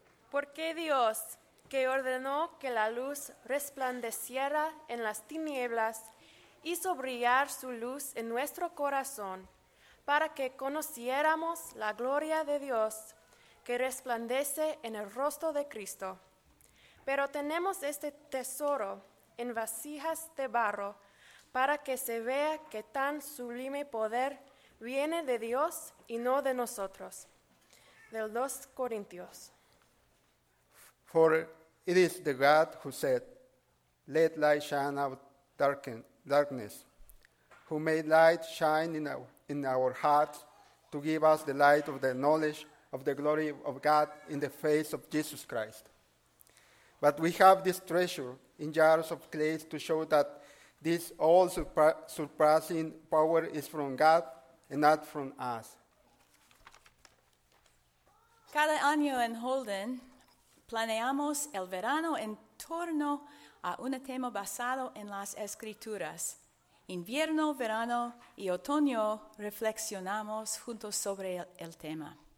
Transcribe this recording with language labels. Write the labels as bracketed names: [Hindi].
[Spanish] ¿Por qué Dios, que ordenó que la luz resplandeciera en las tinieblas, hizo brillar su luz en nuestro corazón para que conociéramos la gloria de Dios que resplandece en el rostro de Cristo? Pero tenemos este tesoro en vasijas de barro para que se vea que tan sublime poder viene de Dios y no de nosotros. Del 2 Corintios. [English] For it is the God who said, "Let light shine out darkness," who made light shine in our hearts to give us the light of the knowledge of the glory of God in the face of Jesus Christ. But we have this treasure in jars of clay to show that this all-surpassing power is from God and not from us. [Spanish] Cada año en Holden planeamos el verano en torno a un tema basado en las Escrituras. Invierno, verano y otoño reflexionamos juntos sobre el tema.